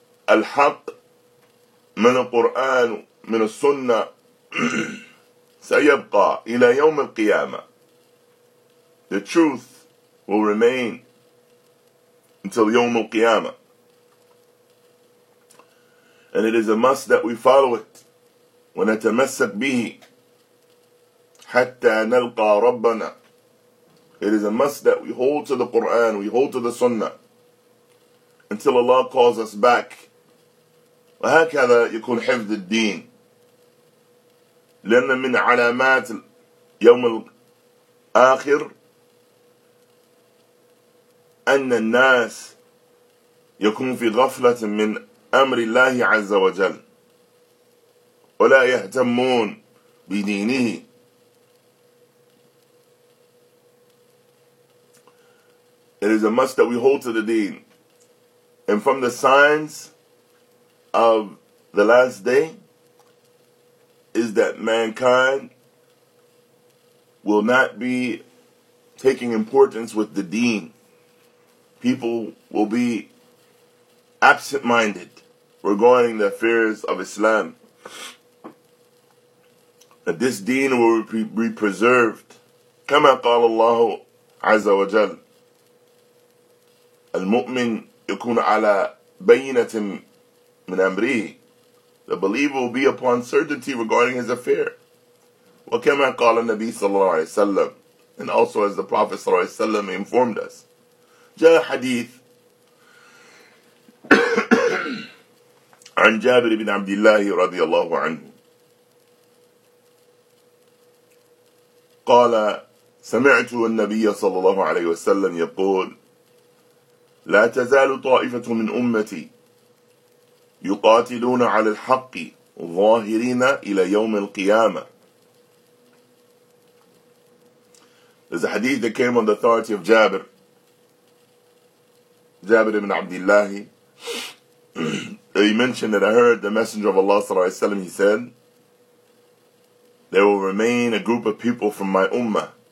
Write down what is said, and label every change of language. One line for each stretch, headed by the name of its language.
Arabic: الحق من القرآن من السنة سيبقى إلى يوم القيامة.
English: The truth will remain until
Arabic: يوم القيامة.
English: And it is a must that we follow it
Arabic: ونتمسك به حتى نلقى ربنا.
English: It is a must that we hold to the Quran, we hold to the Sunnah, until Allah calls us back.
Arabic: وهكذا يكون حفظ الدين لأن من علامات يوم الآخر أن الناس يكون في غفلة من أمر الله عز وجل ولا يهتمون بدينه.
English: It is a must that we hold to the deen. And from the signs of the last day is that mankind will not be taking importance with the deen. People will be absent-minded regarding the affairs of Islam. That this deen will be preserved.
Arabic: كما قال الله عز وجل المؤمن يكون على بينة من أمره.
English: The believer will be upon certainty regarding his affair.
Arabic: وكما قال النبي صلى الله عليه وسلم.
English: And also as the Prophet
Arabic: صلى الله عليه وسلم
English: informed us.
Arabic: جاء حديث عن جابر بن عبد الله رضي الله عنه قال سمعت النبي صلى الله عليه وسلم يقول لا تزال طائفة من أمتي يقاتلون على الحق ظاهرين إلى يوم القيامة.
English: There's a hadith that came on the authority of Jabir. Jabir ibn Abdullah. He mentioned that I heard the Messenger of Allah sallallahu alayhi wa sallam, he said, there will remain a group of people from my ummah.